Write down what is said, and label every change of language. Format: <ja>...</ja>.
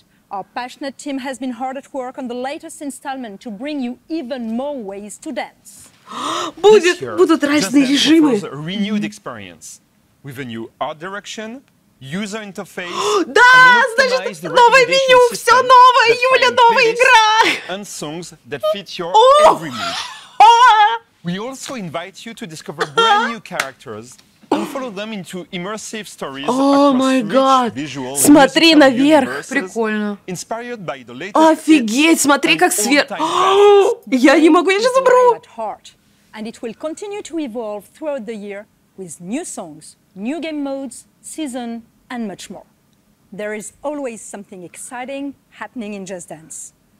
<en>Our passionate team has been hard at work on the latest installment to bring you even more ways to dance.</en> <ru>Будет, будут разные режимы.</ru> <en>Just Dance renewed experience with a new art direction, user interface.</en> <ru>Да, значит, новое меню, все новое, Юля, новая игра.</ru> <en>And songs that fit your every mood. We also invite you to discover brand new characters. Follow them into immersive stories.</en> <ru>О, мой бог! Смотри наверх, прикольно. Офигеть, смотри, как сверху. Я не могу, я сейчас умру.</ru> <en>And it will continue to evolve throughout the year with new songs, new game modes, season, and much more. There is always something exciting happening in Just Dance.</en>